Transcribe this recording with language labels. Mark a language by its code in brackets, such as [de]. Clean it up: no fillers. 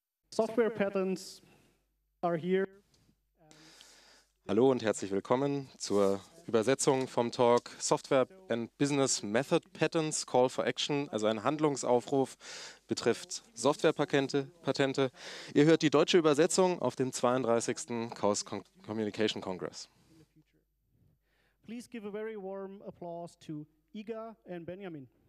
[en] Software Patterns are here. [de] Hallo und herzlich willkommen zur Übersetzung vom Talk Software and Business Method Patents Call for Action, also ein Handlungsaufruf betrifft Softwarepatente. Ihr hört die deutsche Übersetzung auf dem 32. Chaos Communication Congress. [en] Please give a very warm applause to Iga and Benjamin.